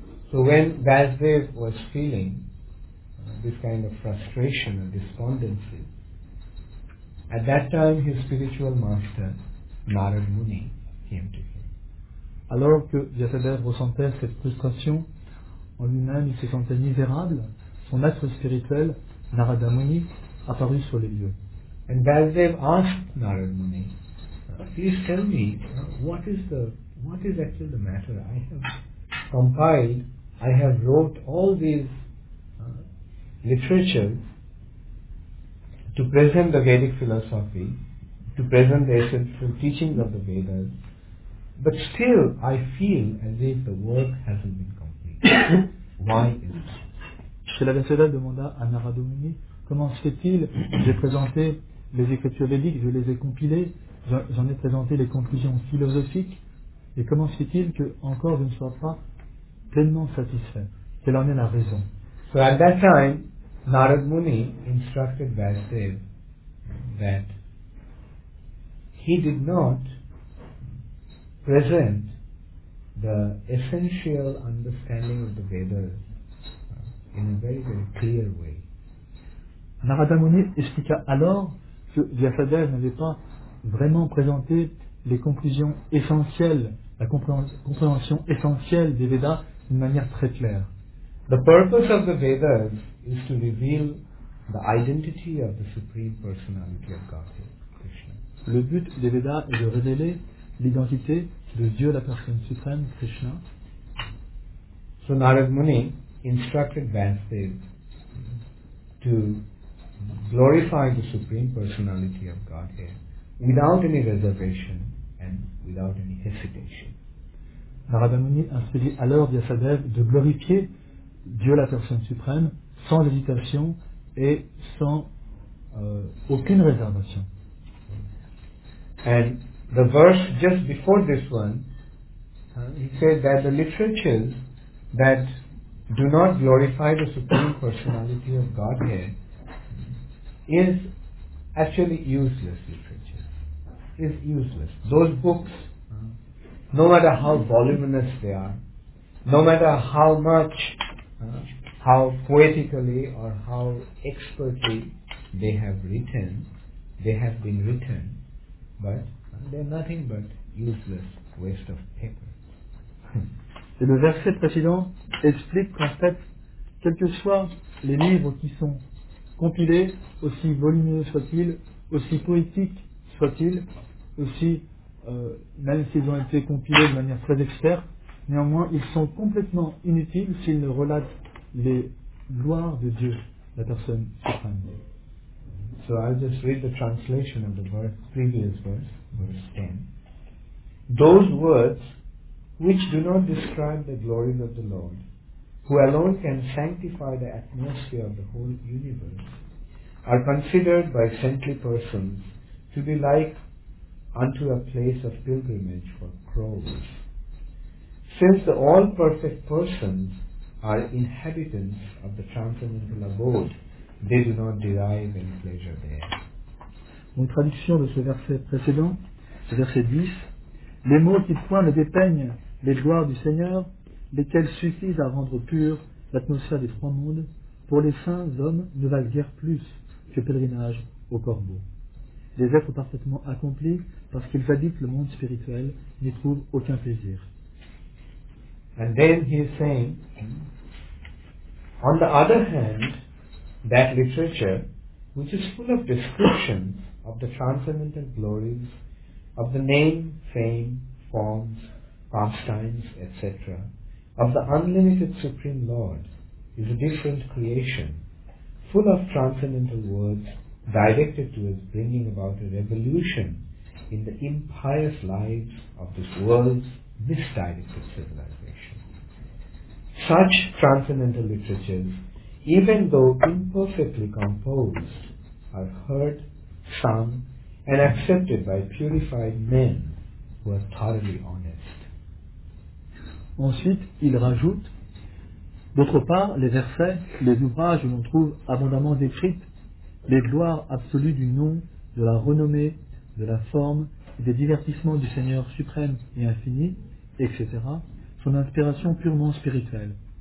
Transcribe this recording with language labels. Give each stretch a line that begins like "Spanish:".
English: So when Vasudev was feeling this kind of frustration or despondency, at that time his spiritual master Narad Muni came to him.
French: Alors que Vasudev ressentait cette frustration en lui-même, il se sentait misérable. Son être spirituel Narada Muni apparut sur les lieux.
English: And Vasudev asked Narad Muni, please tell me, what is actually the matter? I have compiled, I have wrote all these literatures to present the Vedic philosophy, to present the essential teachings of the Vedas, but still I feel as if the work hasn't been complete. Why is it?
French: Srila Vasudeva demanda à Narada Muni, comment se fait-il de présenter les écritures védiques, je les ai compilées, j'en ai présenté les conclusions philosophiques, et comment se fait-il que encore je ne sois pas pleinement satisfait? Quelle en est la raison?
English: So at that time, Narad Muni instructed Vasudev that he did not present the essential understanding of the Vedas in a very, very clear way.
French: Narada Muni expliqua alors que Vyasadev n'avait pas vraiment présenté les conclusions essentielles, la compréhension essentielle des Vedas d'une manière très claire.
English: The purpose of the Vedas is to reveal the identity of the Supreme Personality of Godhead, Krishna.
French: Le but des Vedas est de révéler l'identité de Dieu, la Personne Suprême, Krishna.
English: So Narad Muni instructed Vasudev to glorify the Supreme Personality of Godhead without any reservation and without any hesitation.
French: Narada Muni inspirit alors Vyasadeva de glorifier Dieu, la Personne Suprême, sans hésitation et sans aucune réservation.
English: And the verse just before this one, he says that the literatures that do not glorify the Supreme Personality of Godhead is actually useless literature. Is useless. Those books, no matter how voluminous they are, no matter how much, how poetically or how expertly they have written, they have been written, but they're nothing but useless waste of paper.
French: Et le verset précédent explique qu'en fait, quels que soient les livres qui sont compilé, aussi volumineux soit-il, aussi poétique soit-il, aussi, même s'ils ont été compilés de manière très experte, néanmoins, ils sont complètement inutiles s'ils ne relatent les gloires de Dieu, la Personne Suprême.
English: So I'll just read the translation of the verse, previous verse, verse 10. Those words which do not describe the glories of the Lord, who alone can sanctify the atmosphere of the whole universe, are considered by saintly persons to be like unto a place of pilgrimage for crows. Since the all-perfect persons are inhabitants of the transcendental abode, they do not derive any pleasure there.
French: Une traduction de ce verset précédent, ce verset 10, les mots qui pointent dépeignent les gloires du Seigneur, lesquels suffisent à rendre pure l'atmosphère des trois mondes, pour les saints hommes ne valent guère plus que pèlerinage au corbeau. Les êtres parfaitement accomplis, parce qu'ils habitent le monde spirituel, n'y trouvent aucun plaisir.
English: And then he is saying, on the other hand, that literature, which is full of descriptions of the transcendental glories, of the name, fame, forms, pastimes, etc., of the unlimited Supreme Lord, is a different creation, full of transcendental words directed towards bringing about a revolution in the impious lives of this world's this dynamic civilization. Such transcendental literatures, even though imperfectly composed, are heard, sung, and accepted by purified men who are thoroughly honest.
French: Ensuite, il rajoute, d'autre part, les versets, les ouvrages où l'on trouve abondamment décrites les gloires absolues du nom, de la renommée, de la forme, des divertissements du Seigneur suprême et infini, etc., sont d'inspiration purement spirituelle.